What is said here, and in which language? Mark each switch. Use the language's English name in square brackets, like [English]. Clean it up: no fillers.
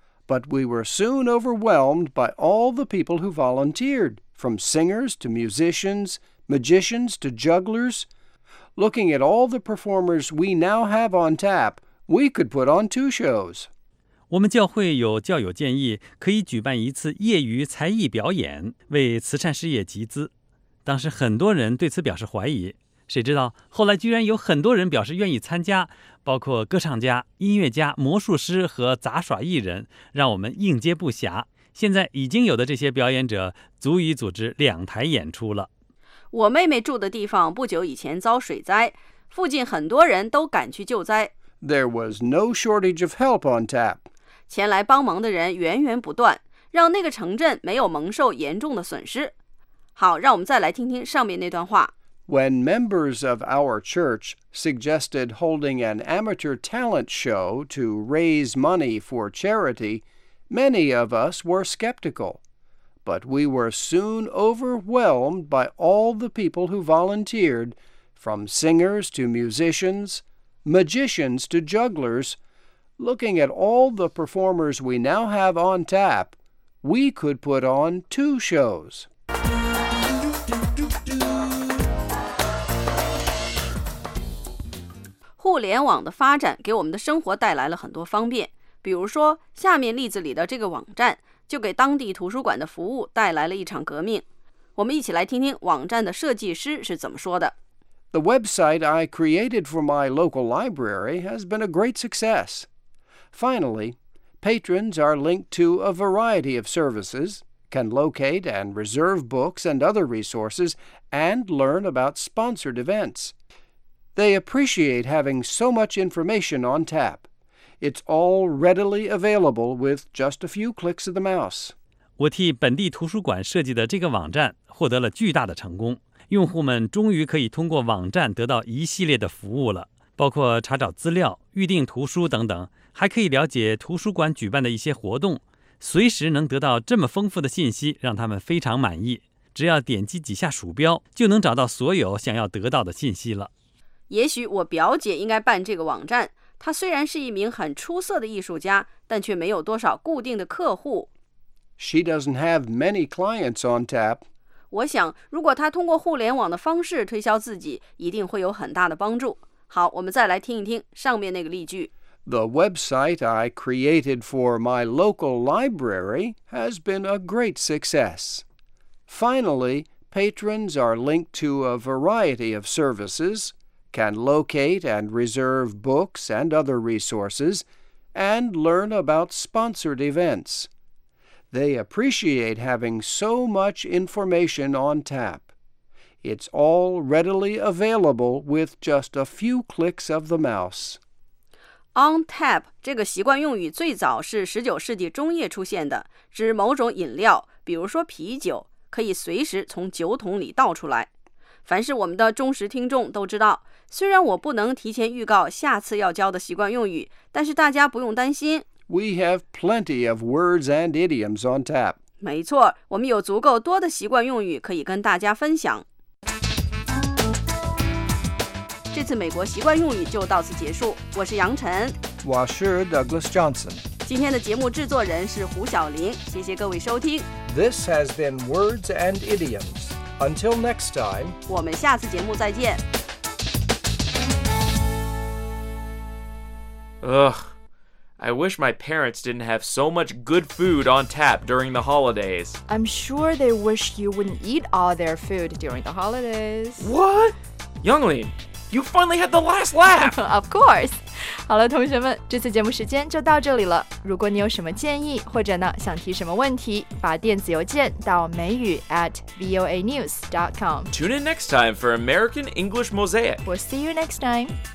[English] But we were soon overwhelmed by all the people who volunteered, from singers to musicians, magicians to jugglers. Looking at all the performers we now have on tap, we could put on two shows. [Chinese] 我们教会有教友建议可以举办一次业余才艺表演，为慈善事业集资。当时很多人对此表示怀疑，谁知道后来居然有很多人表示愿意参加，包括歌唱家、音乐家、魔术师和杂耍艺人，让我们应接不暇。现在已经有的这些表演者足以组织两台演出了。我妹妹住的地方不久以前遭水灾，附近很多人都赶去救灾。 [English] There was no shortage of help on tap. [Chinese] 前来帮忙的人源源不断，让那个城镇没有蒙受严重的损失。好，让我们再来听听上面那段话。 [English] When members of our church suggested holding an amateur talent show to raise money for charity, many of us were skeptical. But we were soon overwhelmed by all the people who volunteered, from singers to musicians, magicians to jugglers. Looking at all the performers we now have on tap, we could put on 2 shows. [Chinese] 互联网的发展给我们的生活带来了很多方便，比如说下面例子里的这个网站就给当地图书馆的服务带来了一场革命。我们一起来听听网站的设计师是怎么说的。 [English] The website I created for my local library has been a great success. Finally, patrons are linked to a variety of services, can locate and reserve books and other resources, and learn about sponsored events. They appreciate having so much information on tap. It's all readily available with just a few clicks of the mouse. [Chinese] 我替本地图书馆设计的这个网站获得了巨大的成功。用户们终于可以通过网站得到一系列的服务了，包括查找资料、预订图书等等，还可以了解图书馆举办的一些活动。随时能得到这么丰富的信息，让他们非常满意。只要点击几下鼠标，就能找到所有想要得到的信息了。也许我表姐应该办这个网站，她虽然是一名很出色的艺术家，但却没有多少固定的客户。 [English] She doesn't have many clients on tap. [Chinese] 我想，如果她通过互联网的方式推销自己，一定会有很大的帮助。好，我们再来听一听上面那个例句。 [English] The website I created for my local library has been a great success. Finally, patrons are linked to a variety of services. Can locate and reserve books and other resources, and learn about sponsored events. They appreciate having so much information on tap. It's all readily available with just a few clicks of the mouse. [Chinese] On tap 这个习惯用语最早是19世纪中叶出现的，指某种饮料，比如说啤酒，可以随时从酒桶里倒出来。凡是我们的忠实听众都知道，虽然我不能提前预告下次要教的习惯用语，但是大家不用担心。 [English] We have plenty of words and idioms on tap. [Chinese] 没错，我们有足够多的习惯用语可以跟大家分享。这次美国习惯用语就到此结束，我是杨晨。我是 Douglas Johnson。今天的节目制作人是胡晓琳，谢谢各位收听。 [English] This has been Words and Idioms. Until next time, [Chinese] 我们下次节目再见。 [English] Ugh, I wish my parents didn't have so much good food on tap during the holidays. I'm sure they wish you wouldn't eat all their food during the holidays. What? Youngling, you finally had the last laugh! Of course! [Chinese] 好了，同学们，这次节目时间就到这里了。如果你有什么建议，或者呢想提什么问题，把电子邮件到美语@voanews.com. [English] Tune in next time for American English Mosaic. We'll see you next time.